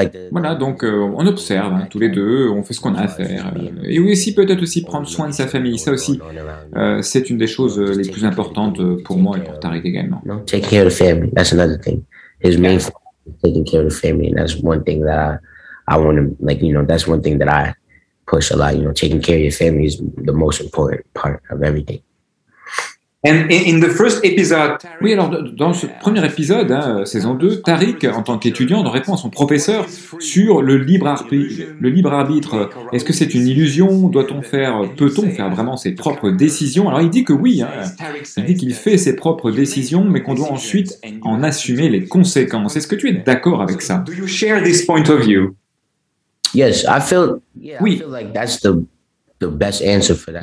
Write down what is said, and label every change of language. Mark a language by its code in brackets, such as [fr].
[fr] Voilà, donc on observe hein, tous les deux, on fait ce qu'on a à faire. Et aussi, peut-être aussi prendre soin de sa famille. Ça aussi, c'est une des choses les plus importantes pour moi et pour Tariq également. [en] Take care of the family, that's another thing. His main focus is taking care of the family, and that's one thing that I want to, like, you know, that's one thing that I push a lot, you know, taking care of your family is the most important part of everything. And in the first episode, [fr] oui, alors dans ce premier épisode, hein, saison 2, Tariq, en tant qu'étudiant, répond à son professeur sur le libre arbitre. Est-ce que c'est une illusion? Peut-on faire vraiment ses propres décisions? Alors il dit que oui, hein. Il dit qu'il fait ses propres décisions, mais qu'on doit ensuite en assumer les conséquences. Est-ce que tu es d'accord avec ça? [en] Do you share this point of view? Yes, I feel. Yeah, oui. I feel like that's the best answer for that.